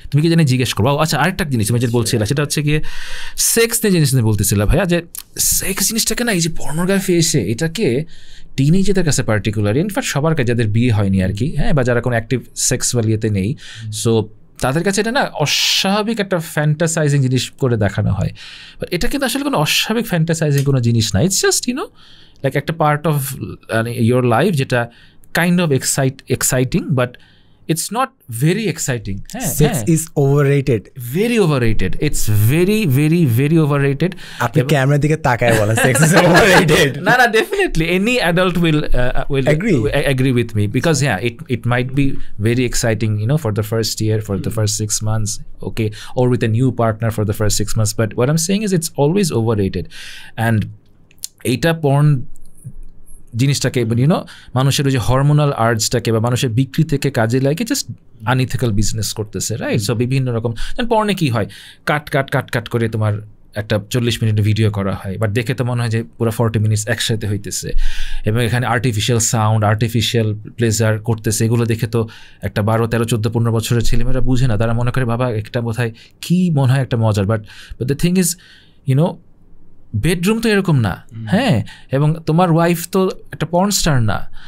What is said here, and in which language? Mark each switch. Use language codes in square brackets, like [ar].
[bn] তুমি কি জানি জিজ্ঞেস করবো, আচ্ছা আরেকটা জিনিস তুমি যেটা বলছিলা সেটা হচ্ছে গিয়ে সেক্স নিয়ে জিনিস নিয়ে বলতেছিলা ভাইয়া, যে সেক্স জিনিসটাকে না এই যে পর্নোগ্রাফি এসে এটাকে টিনেজদের কাছে পার্টিকুলারলি, ইনফ্যাক্ট সবার কাছে যাদের বিয়ে হয়নি আর কি, হ্যাঁ বা যারা কোনো অ্যাক্টিভ সেক্স ভ্যালিয়েতে নেই, সো তাদের কাছে এটা না অস্বাভাবিক একটা ফ্যান্টাসাইজিং জিনিস করে দেখানো হয়। বাট এটা কিন্তু আসলে কোনো অস্বাভাবিক ফ্যান্টাসাইজিং কোনো জিনিস না, [en] it's just you know like [bn] একটা [en] part of your life [bn] যেটা kind of exciting but [en] it's not very exciting. Sex is overrated, very overrated, it's very very very overrated. [bn] Apni camera dike takay bolen [en] sex is overrated. No, definitely any adult will agree with me, because yeah it might be very exciting, you know, for the first year, for the first 6 months, okay, or with a new partner for the first 6 months, but what I'm saying is it's always overrated. [bn] And eta porn জিনিসটাকে even YONO মানুষের ওই যে hormonal আর্জটাকে বা মানুষের বিক্রি থেকে কাজে লাগে জাস্ট আনইথিক্যাল বিজনেস করতেছে, রাইট? সো বিভিন্ন রকম পর্নে কী হয়, কাট কাট কাট কাট করে তোমার একটা 40 মিনিট ভিডিও করা হয়, বাট দেখে তো মনে হয় যে পুরো 40 মিনিট একসাথে হইতেছে, এবং এখানে আর্টিফিশিয়াল সাউন্ড আর্টিফিশিয়াল প্লেজার করতেছে, এগুলো দেখে তো একটা 12, 13, 14, 15 বছরের ছেলেমেয়েরা বুঝে না, তারা মনে করে বাবা একটা বোধহয় কী মনে হয় একটা মজার, [en] but the thing is you know [bn] bedroom তো এরকম না, হ্যাঁ, এবং তোমার ওয়াইফ তো একটা পর্ন স্টার না।